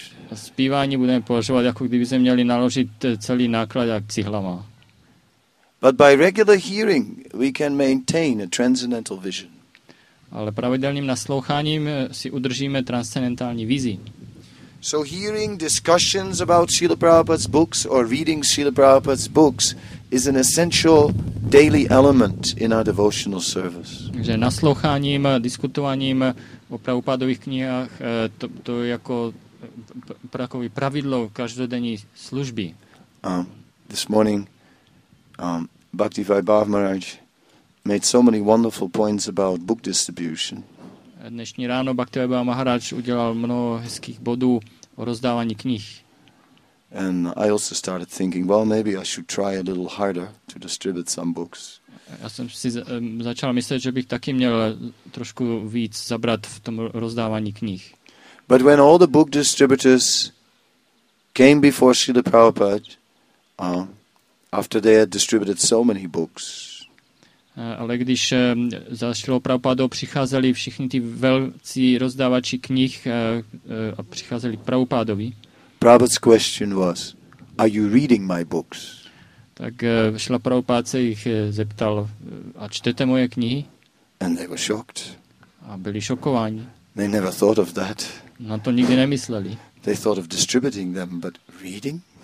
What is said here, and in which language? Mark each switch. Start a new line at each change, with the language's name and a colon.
Czech: A zpívání budeme považovat, jako kdyby jsme měli naložit celý náklad jak cihlama.
English: But by regular hearing we can maintain a transcendental vision.
Czech: Ale pravidelným nasloucháním si udržíme transcendentální vizi.
English: So hearing discussions about Srila Prabhupada's books or reading Srila Prabhupada's books is an essential daily element in our devotional service.
Czech: Takže nasloucháním, diskutováním o Prabhupádových knihách to je jako takový pravidlo každodenní služby.
English: This morning Bhakti Vaibhav Maharaj made so many wonderful points about book distribution.
Czech: Dnešní ráno Bhakti Vaibhav Maharaj udělal mnoho hezkých bodů o rozdávání knih.
English: And I also started thinking, well, maybe I should try a little harder to distribute some books.
Czech: Já jsem si začal myslet, že bych taky měl trošku víc zabrat v tom rozdávání knih.
English: But when all the book distributors came before Srila Prabhupada, after they had distributed so many books.
Czech: Ale když za Srila Prabhupada přicházeli všichni ty velcí rozdávači knih a přicházeli k Prabhupádovi.
English: Prabhupada's question was, are you reading my books?
Czech: Tak Srila Prabhupada se jich zeptal, a čtete moje knihy?
English: And they were shocked.
Czech: A byli šokováni.
English: They never thought of that.
Czech: Na to nikdy nemysleli.
English: They thought of distributing them, but reading?